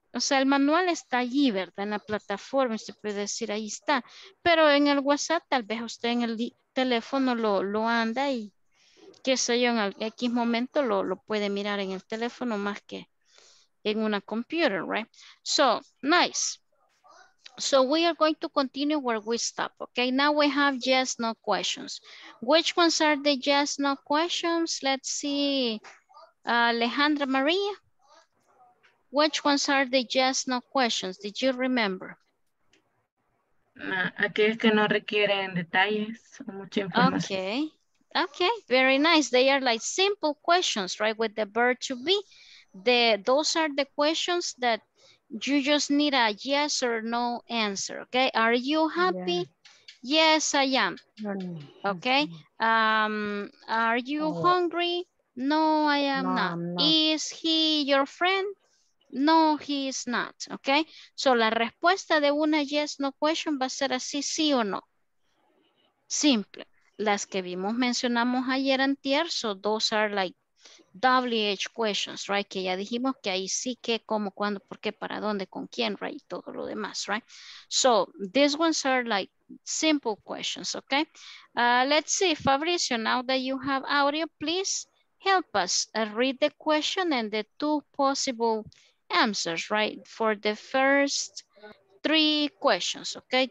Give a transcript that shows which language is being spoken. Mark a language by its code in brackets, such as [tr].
[es] O sea, el manual está allí, ¿verdad? En la plataforma, se puede decir, ahí está. Pero en el WhatsApp, tal vez usted en el teléfono lo anda y qué sé yo, en X momento lo puede mirar en el teléfono más que en una computer, right? [en] So, nice. So we are going to continue where we stop. Okay, now we have yes, no questions. Which ones are the yes, no questions? Let's see, Alejandra Maria. Which ones are the yes, no questions? Did you remember? [es] Aquellos que no requieren detalles o mucha información. [en] Okay, very nice. They are like simple questions, right? With the verb to be. Those are the questions that you just need a yes or no answer, okay? Are you happy? Yeah. Yes, I am. Okay. Are you hungry? No, I am not. Is he your friend? No, he is not, okay? [es] So la respuesta de una yes, no question va a ser así, sí o no. Simple. Las que vimos, mencionamos ayer antier, [en] so those are like WH questions, right? [es] Que ya dijimos que ahí sí, qué, cómo, cuándo, por qué, para dónde, con quién, right? Y todo lo demás, right? [en] So, these ones are like simple questions, okay? Let's see, Fabricio, now that you have audio, please help us read the question and the two possible answers, right? For the first three questions, okay?